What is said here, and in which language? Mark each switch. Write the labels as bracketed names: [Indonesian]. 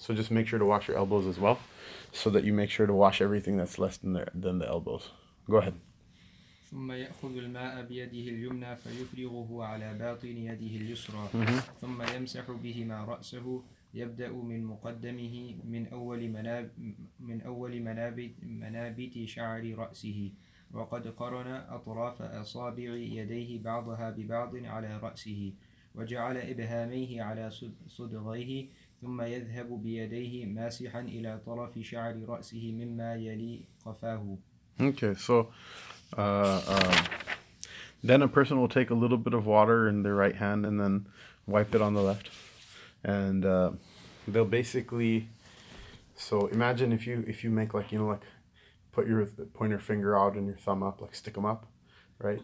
[English] So just make sure to wash your elbows as well, so that you make sure to wash everything that's less than the elbows. Go ahead. [Arabic] ثم يأخذ الماء بيده اليمنى فيفرغه على باطن يده اليسرى ثم يمسح بهما رأسه يبدأ من مقدمه من أول منابت شعر رأسه وقد قرن أطراف أصابع يديه بعضها ببعض على رأسه وجعل إبهاميه على صدغيه ثم يذهب بيديه ماسحا إلى طرف شعر رأسه مما يلي قفاه. [English] Okay, so then a person will take a little bit of water in their right hand and then wipe it on the left. And they'll basically, so imagine if you make put your pointer finger out and your thumb up, like stick them up, right?